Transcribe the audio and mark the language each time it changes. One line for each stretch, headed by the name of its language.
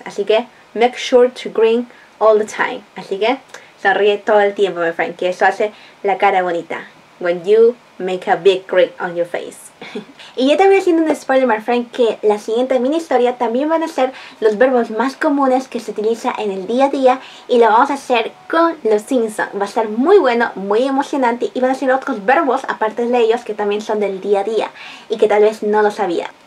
Spanish: Así que
English: make sure to grin all the time.
Spanish: Así que sonríe todo el tiempo,
English: my friend,
Spanish: que eso hace la cara bonita.
English: When you make a big grin on your face.
Spanish: Y yo también haciendo un spoiler,
English: my friend,
Spanish: que la siguiente mini historia también van a ser los verbos más comunes que se utiliza en el día a día y lo vamos a hacer con los Simpsons. Va a ser muy bueno, muy emocionante y van a ser otros verbos, aparte de ellos, que también son del día a día y que tal vez no lo sabía.